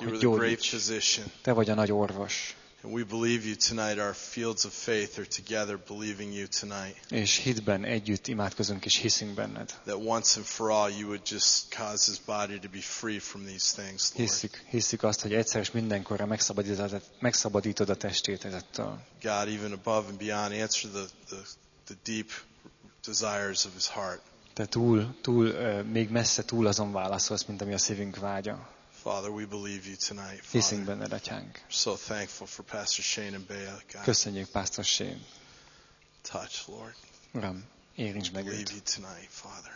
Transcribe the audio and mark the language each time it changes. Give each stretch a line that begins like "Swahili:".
English: you
Hungarian: hogy gyógyíts. Te vagy a nagy orvos.
English: And we believe you tonight. Our fields of faith are together believing you tonight.
Hungarian: És hitben együtt imádkozunk és hiszünk benned.
English: That once and for all you would just cause his body to be free from these things, Lord.
Hungarian: Hiszük azt, hogy egyszer és mindenkorra megszabadítod a testét ezettől.
English: God, even above and beyond, answer the deep desires of his heart.
Hungarian: Te túl még messze túl azon válaszolsz, mint ami a szívünk vágya.
English: Father, we believe you tonight. Father.
Hungarian: Hiszünk benned, Atyánk.
English: So thankful for Pastor Shane and Bea.
Hungarian: Köszönjük Pastor Shane.
English: Touch, Lord.
Hungarian: Uram, érintsd meg őt.
English: Believe you tonight, Father.